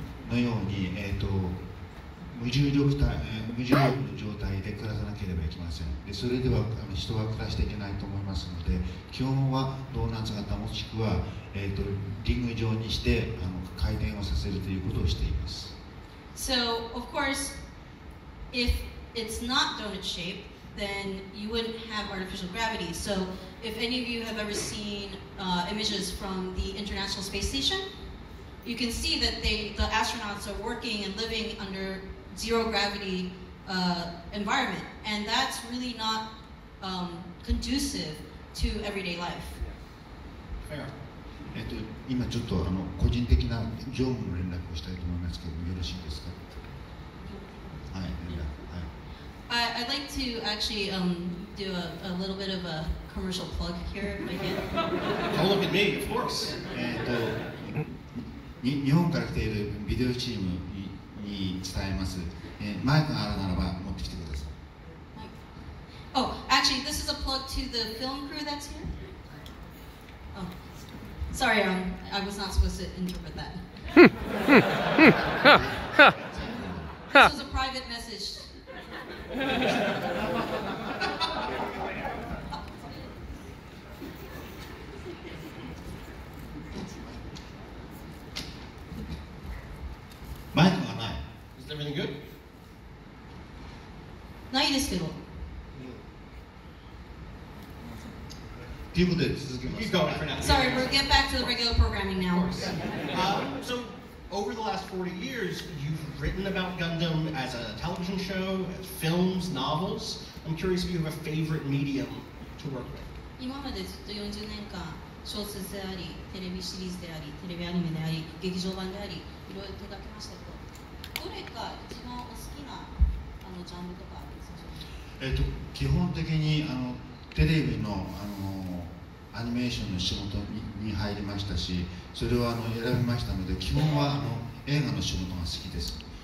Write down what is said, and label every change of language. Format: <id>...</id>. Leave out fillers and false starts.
<ja>のように、無重力体、無重力の状態で暮らさなければいけません。で、それでは人は暮らしていけないと思いますので、基本はドーナツ型もしくは、リング状にして回転をさせるということをしています。</ja> <en>So, of course, if it's not donut shape, then you wouldn't have artificial gravity. So, if any of you have ever seen images from the International Space Station, you can see that the astronauts are working and living under zero gravity environment, and that's really not conducive to everyday life. Yeah.</en> <ja>今ちょっと個人的な業務の連絡をしたいと思いますけどよろしいですか？はい、連絡。はい。</ja> <en>I'd like to actually do a little bit of a commercial plug here. Don't look at me, of course. And,</en> <ja>日本から来ているビデオチームに伝えます。マイクがあるならば持ってきてください。</ja> <en>Oh, actually, this is a plug to the film crew that's here. Oh, sorry, I was not supposed to interpret that. This was a private message.</en> <ja>マイクはない。</ja> <en>Is everything good?</en> <ja>ないですけど。ということで続けます。</ja> <en>Sorry, we'll get back to the regular programming now. So, over the last 40 years, you've written about Gundam as a television show, as films, novels. I'm curious if you have a favorite medium to work with.</en> <ja>今までずっと40年間、小説であり、テレビシリーズであり、テレビアニメであり、劇場版であり、いろいろ手掛けましたけど、どれか一番お好きなあのジャンルとかあるんですか？基本的にあのテレビの、アニメーションの仕事 に入りましたし、それをあの選びましたので、基本はあの映画の仕事が好きです。</ja>